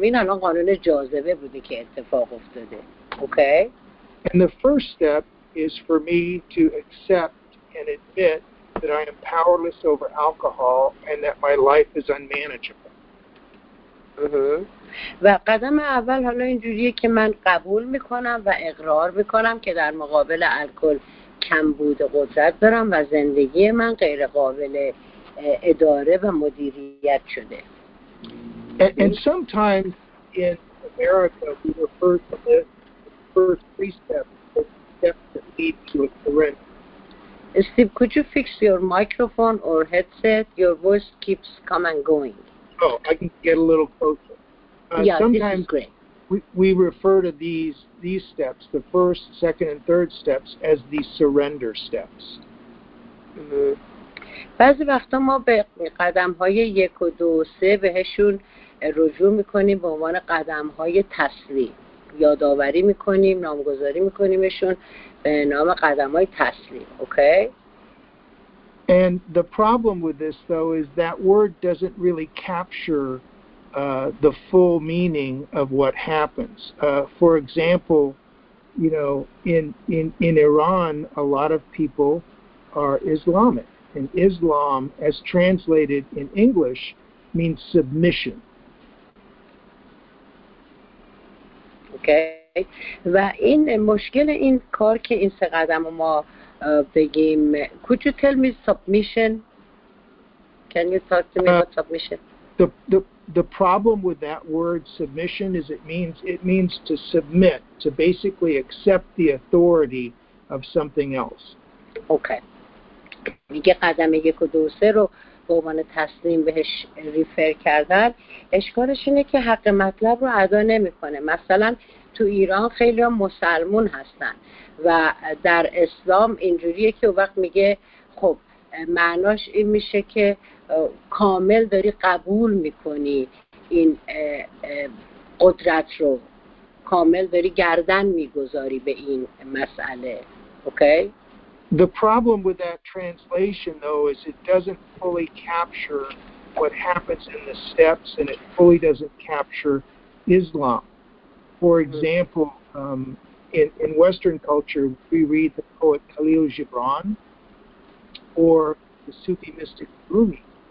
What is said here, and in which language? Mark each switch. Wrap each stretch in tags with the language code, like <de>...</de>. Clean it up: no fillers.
<fa>این الان قانون جاذبه بوده که اتفاق افتاده. اوکی؟</fa> <en>And the first step is for me to accept and admit that I am powerless over alcohol and that my life is unmanageable.</en> <fa>و قدم اول حالا اینجوریه که من قبول میکنم و اقرار میکنم که در مقابل الکل کمبود قدرت دارم و زندگی من غیر قابل اداره و مدیریت شده.</fa> <en>And sometimes in America we refer to the first three steps that lead to a surrender. Steve, could you fix your microphone or headset? Your voice keeps coming and going. Oh, I can get a little closer. Sometimes this is great. We refer to these steps, the first, second, and third steps, as the surrender steps.</en> <fa>بعضی وقتا ما به قدم‌های یک و دو و سه بهشون رجوع می‌کنیم به عنوان قدم‌های تسلیم. یادآوری می‌کنیم، نامگذاری می‌کنیمشون به نام قدم‌های تسلیم. Okay?</fa> <en>And the problem with this, though, is that word doesn't really capture the full meaning of what happens. For example, you know, in Iran, a lot of people are Islamic. And Islam, as translated in English, means submission. Okay. And in</en> <fa>مشکل این کار که این سه قدم ما بگیم.</fa> <en>Could you tell me submission? Can you talk to me about submission? The problem with that word submission is it means to submit, to basically accept the authority of something else. Okay.</en> <fa>میگه قدم یک و دو سه رو به عنوان تسلیم بهش ریفر کردن، اشکالش اینه که حق مطلب رو ادا نمی کنه. مثلا تو ایران خیلی هم مسلمون هستن و در اسلام اینجوریه که وقت میگه خب معناش این میشه که کامل داری قبول میکنی این قدرت رو کامل داری گردن میگذاری به این مسئله. اوکی؟</fa> <en>The problem with that translation though is it doesn't fully capture what happens in the steps, and it fully doesn't capture Islam. For example, in Western culture, we read the poet Khalil Gibran or the Sufi mystic Rumi.</en>